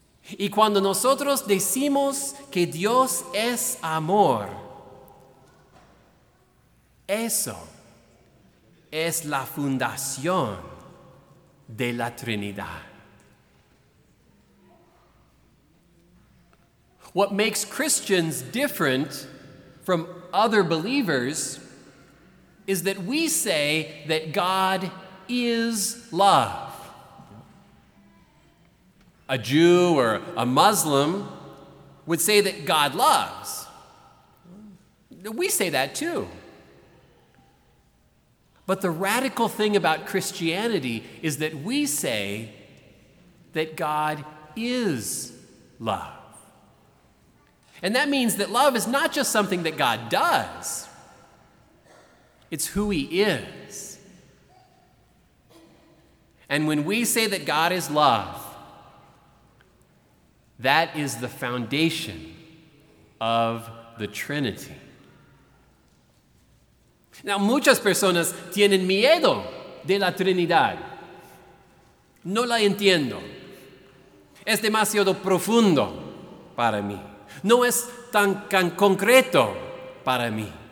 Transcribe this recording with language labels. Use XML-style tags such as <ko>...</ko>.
<es>Y cuando nosotros decimos que Dios es amor, eso es la fundación de la Trinidad.</es> <en>What makes Christians different from other believers is that we say that God is love. A Jew or a Muslim would say that God loves. We say that too. But the radical thing about Christianity is that we say that God is love. And that means that love is not just something that God does. It's who He is. And when we say that God is love, that is the foundation of the Trinity.</en> <es>Now, muchas personas tienen miedo de la Trinidad. No la entiendo. Es demasiado profundo para mí. No es tan concreto para mí.</es>